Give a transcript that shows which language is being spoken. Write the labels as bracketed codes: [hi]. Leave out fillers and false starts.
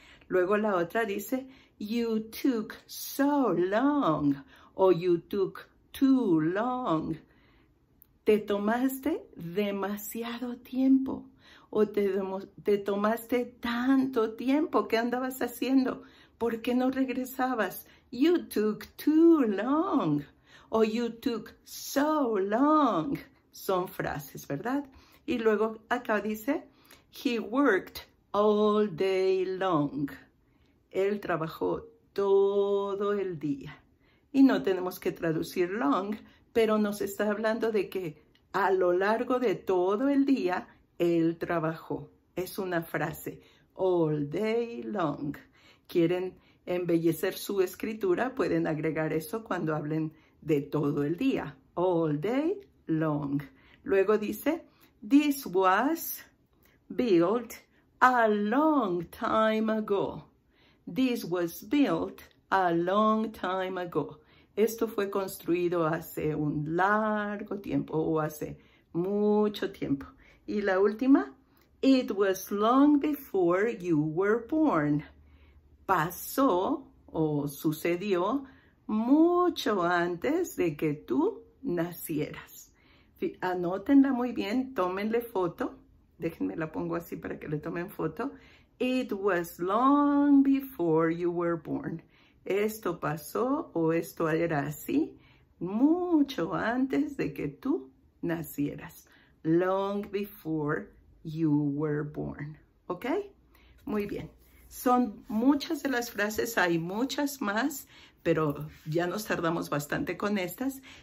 [es] Luego la otra dice, [en] you took so long, o you took too long. [es] Te tomaste demasiado tiempo. ¿O te tomaste tanto tiempo? ¿Qué andabas haciendo? ¿Por qué no regresabas? [en] You took too long. O you took so long. [es] Son frases, ¿verdad? Y luego acá dice, [en] he worked all day long. [es] Él trabajó todo el día. Y no tenemos que traducir long, pero nos está hablando de que a lo largo de todo el día, Él trabajó. Es una frase. [en] All day long. [es] ¿Quieren embellecer su escritura? Pueden agregar eso cuando hablen de todo el día. [en] All day long. [es] Luego dice, [en] this was built a long time ago. This was built a long time ago. [es] Esto fue construido hace un largo tiempo o hace mucho tiempo. Y la última, [en] it was long before you were born. [es] Pasó o sucedió mucho antes de que tú nacieras. Anótenla muy bien, tómenle foto. Déjenme la pongo así para que le tomen foto. [en] It was long before you were born. [es] Esto pasó o esto era así mucho antes de que tú nacieras. [en] Long before you were born. [es] ¿Ok? Muy bien. Son muchas de las frases, hay muchas más, pero ya nos tardamos bastante con estas.